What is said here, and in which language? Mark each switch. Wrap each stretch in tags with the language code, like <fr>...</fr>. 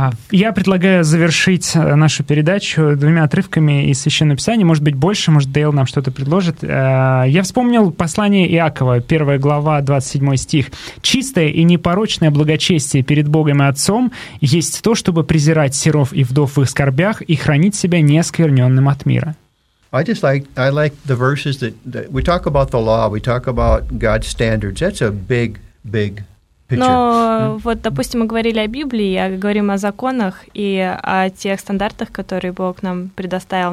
<ru>Я предлагаю завершить нашу передачу двумя отрывками из Священного Писания. Может быть, больше, может, Дейл нам что-то предложит. Я вспомнил послание Иакова, 1 глава, 27 стих. «Чистое и непорочное благочестие перед Богом и Отцом есть то, чтобы презирать сиров и вдов в их скорбях и хранить себя неоскверненным от мира».</ru> <en>I like the verses that we talk about the law, we talk about God's standards. That's a big, big...</en> <ru>Но вот, допустим, мы говорили о Библии, а говорим о законах и о тех стандартах, которые Бог нам предоставил.</ru>